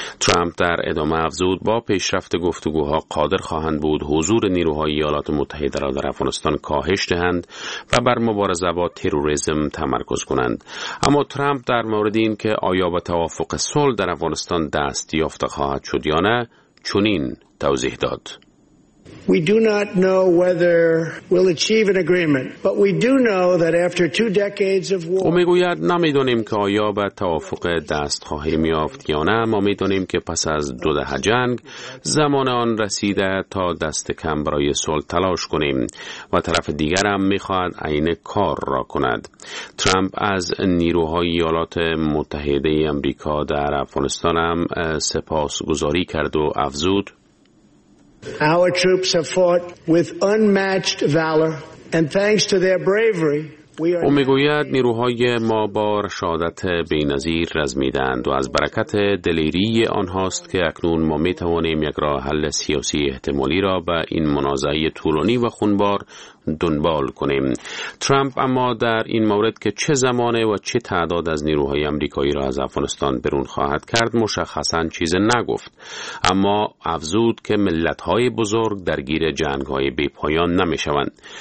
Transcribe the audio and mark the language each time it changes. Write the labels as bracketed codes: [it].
[fa] ترامپ در ادامه افزود با پیشرفت گفتگوها قادر خواهند بود حضور نیروهای ایالات متحده را در افغانستان کاهش دهند و بر مبارزه با تروریسم تمرکز کنند. اما ترامپ در مورد این که آیا به توافق صلح در افغانستان دست یافته خواهد شد یا نه چنین توضیح داد. [en] We do not know whether we'll achieve an agreement, but we do know that after two decades of war. [fa] او میگوید نمیدونیم که آیا به توافق دست خواهیم یافت یا نه، اما میدونیم که پس از دو دهه جنگ زمان آن رسیده تا دست کم برای صلح تلاش کنیم و طرف دیگر هم میخواهد عین کار را کند. ترامپ از نیروهای ایالات متحده آمریکا در افغانستان هم سپاسگزاری کرد و افزود [en] Our troops have fought with unmatched valor, and thanks to their bravery, [fa] او میگوید نیروهای ما با رشادت بی‌نظیر رزمیدند و از برکت دلیری آنهاست که اکنون ما میتوانیم یک راه حل سیاسی احتمالی را به این منازعه طولانی و خونبار دنبال کنیم. ترامپ اما در این مورد که چه زمانه و چه تعداد از نیروهای آمریکایی را از افغانستان برون خواهد کرد مشخصاً چیز نگفت، اما افزود که ملت‌های بزرگ درگیر جنگ‌های بی‌پایان نمی‌شوند.